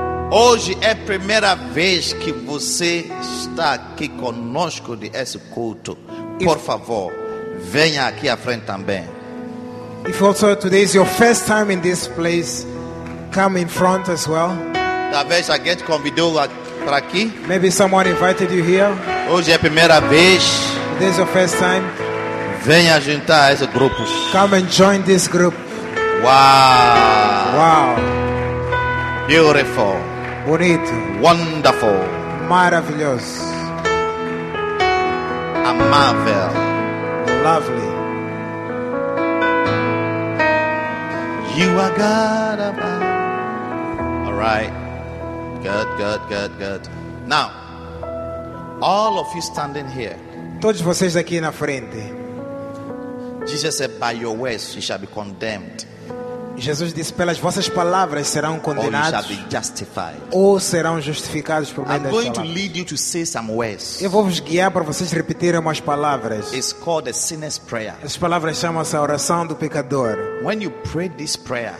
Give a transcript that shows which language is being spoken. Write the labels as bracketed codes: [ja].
[pt] Hoje é a primeira vez que você está aqui conosco desse culto. Por favor, venha aqui à frente também. [en] If also today is your first time in this place, come in front as well. [pt] Talvez alguém te convidou para aqui. [en] Maybe someone invited you here. [pt] Hoje é a primeira vez. [en] This is your first time. [pt] Venha juntar esse grupo. [en] Come and join this group. Wow. Wow. Beautiful. [pt] Bonito. [en] Wonderful. [pt] Maravilhoso. Amável. [en] Lovely. You are God above. All right. Good, good, good, good. Now, all of you standing here. [pt] Todos vocês aqui na frente. [en] Jesus said, by your ways you shall be condemned. [pt] Jesus disse, pelas vossas palavras serão condenados ou serão justificados por meio das palavras. Eu vou vos guiar para vocês repetirem umas palavras. [en] It's called a sinner's prayer. [pt] Essas palavras chamam-se a oração do pecador. [en] When you pray this prayer,